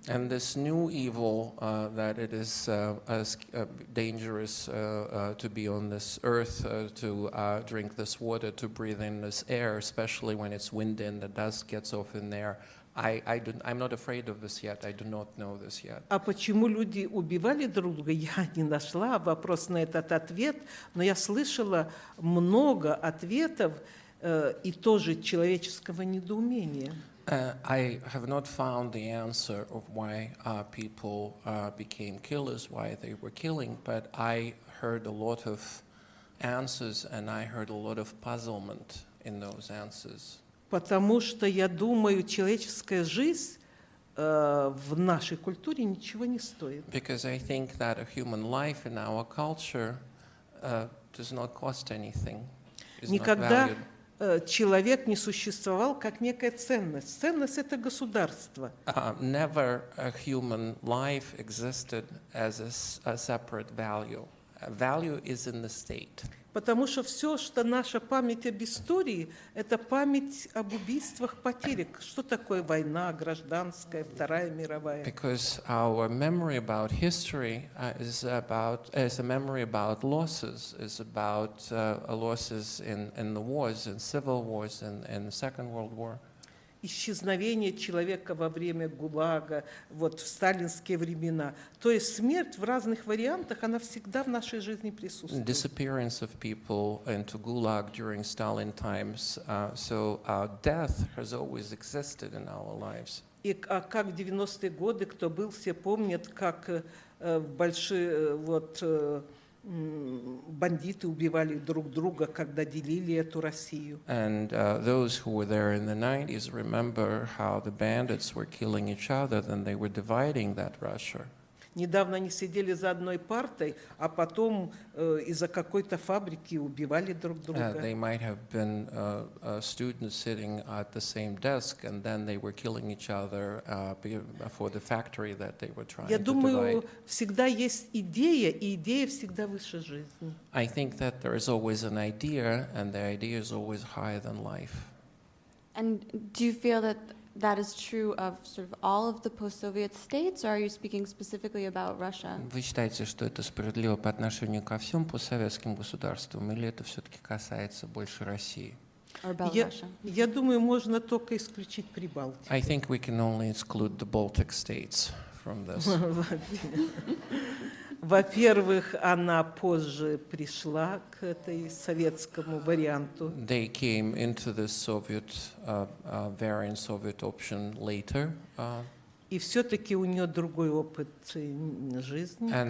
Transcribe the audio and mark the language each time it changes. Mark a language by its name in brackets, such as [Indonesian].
[English] And this new evil, that it is dangerous to be on this earth, to drink this water, to breathe in this air, especially when it's windy and the dust gets off in there. I'm not afraid of this yet. I do not know this yet. [Russian] А почему люди убивали друг друга? Я не нашла вопрос на этот ответ, но я слышала много ответов, и тоже человеческого недоумения. [English] I have not found the answer of why people became killers, why they were killing, but I heard a lot of answers and I heard a lot of puzzlement in those answers. [Russian] Потому что я думаю, человеческая жизнь в нашей культуре ничего не стоит. [English] Because I think that a human life in our culture does not cost anything. [Russian] Никогда человек не существовал как некая ценность. Ценность — это государство. [English] Never a human life existed as a separate value. A value is in the state. [Russian] Потому что все, что наша память об истории, это память об убийствах, потерях. Что такое война, гражданская, Вторая мировая? [English] Because our memory about history is a memory about losses, is about losses in the wars, in civil wars, in the Second World War. [Russian] исчезновение человека во время ГУЛАГа, вот в сталинские времена. То есть смерть в разных вариантах, она всегда в нашей жизни присутствует. [English] Disappearance of people into ГУЛАГ during Stalin times. Death has always existed in our lives. [Russian] И как в 90-е годы, кто был, все помнят, как бандиты убивали друг друга, когда делили эту Россию. [English] And those who were there in the 90s remember how the bandits were killing each other, then they were dividing that Russia. [Russian] Недавно они сидели за одной партой, а потом из-за какой-то фабрики убивали друг друга. [English] They might have been students sitting at the same desk, and then they were killing each other for the factory that they were trying divide. [Russian] Я думаю, всегда есть идея, и идея всегда выше жизни. [English] I think that there is always an idea, and the idea is always higher than life. And do you feel that that is true of sort of all of the post-Soviet states, or are you speaking specifically about Russia? [Russian] Вы считаете, что это справедливо по отношению ко всем постсоветским государствам, или это все-таки касается больше России? [English] Or about Russia? [Russian] Я думаю, можно только исключить Прибалтику. [English] I think we can only exclude the Baltic states from this. [Russian] Во-первых, она позже пришла к этой советскому варианту. [English] They came into the Soviet variant, Soviet option later. [Russian] И все-таки у нее другой опыт жизни.